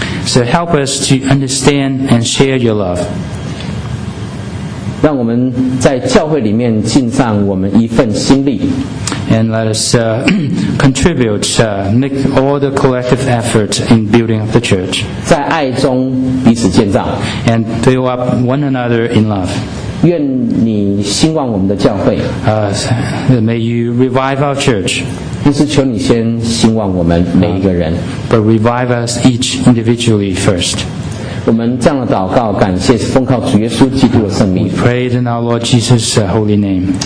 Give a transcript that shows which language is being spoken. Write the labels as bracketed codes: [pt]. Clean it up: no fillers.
[en] So help us to understand and share your love. [zh] 让我们在教会里面尽上我们一份心力。 [en] And let us contribute, make all the collective effort in building up the church. [zh] 在爱中彼此建造。 [en] And build up one another in love. [zh] 愿你兴旺我们的教会。 [en] May you revive our church. [zh] 但是求你先兴旺我们每一个人。 [en] But revive us each individually first. [zh] 我们这样的祷告，感谢是奉靠主耶稣基督的圣名。 [en] We pray in our Lord Jesus' holy name.